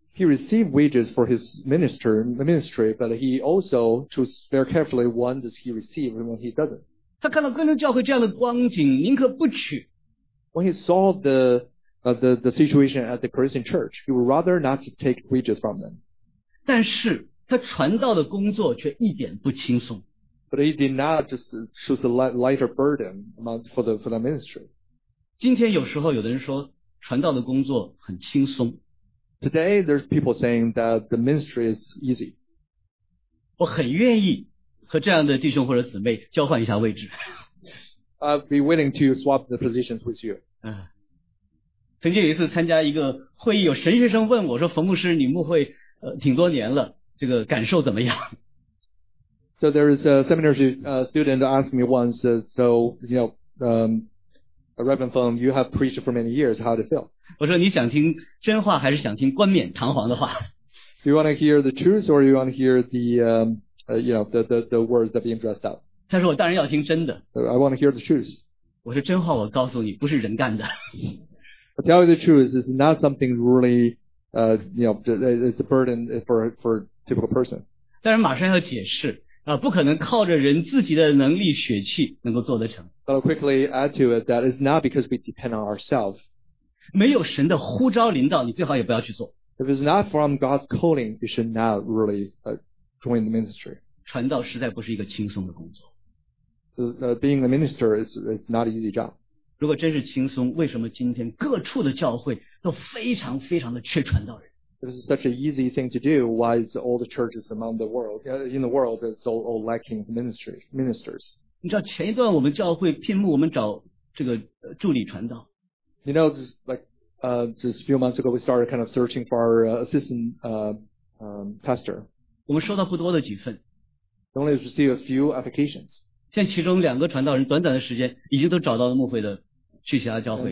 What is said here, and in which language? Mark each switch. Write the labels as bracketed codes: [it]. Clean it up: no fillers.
[en] He received wages for his ministry, but he also chose very carefully when does he receive and when he doesn't. [zh] 他看到哥林教会这样的光景，宁可不取。 [en] When he saw the situation at the Corinthian church, he would rather not to take wages from them. [zh] 但是他传道的工作却一点不轻松。 [en] But he did not just choose a lighter burden for the ministry. [zh] 今天有时候有的人说传道的工作很轻松。 [en] Today, there's people saying that the ministry is easy. [zh] 我很愿意和这样的弟兄或者姊妹交换一下位置。 [en] I'd be willing to swap the positions with you. [zh] 曾经有一次参加一个会议，有神学生问我说，冯牧师，你牧会挺多年了，这个感受怎么样？ [en] So there is a seminary student asked me once, Reverend Feng, you have preached for many years, how did it feel? [zh] 我说你想听真话还是想听冠冕堂皇的话？ [en] Do you want to hear the truth or you want to hear the the words that being dressed up? [zh] 他说我当然要听真的。 [en] I want to hear the truth. [zh] 我说真话我告诉你不是人干的。 [en] I tell you the truth, it's not something really it's a burden for a typical person. [zh] 当然马上要解释不可能靠着人自己的能力血气能够做得成。 [en] But I'll quickly add to it that it's not because we depend on ourselves. [zh] 没有神的呼召领导，你最好也不要去做。 [en] If it's not from God's calling, you should not really join the ministry. [zh] 传道实在不是一个轻松的工作。 [en] Being a minister is not an easy job. [zh] 如果真是轻松，为什么今天各处的教会都非常非常的缺传道人？ [en] If it's such an easy thing to do, why is all the churches in the world is all lacking ministers? [zh] 你知道前一段我们教会聘牧，我们找这个助理传道。 [en] You know, just a few months ago, we started kind of searching for our assistant pastor. [zh] 我们收到不多的几份。 [en] We only received a few applications. [zh] 现在其中两个传道人短短的时间已经都找到了牧会的去其他教会。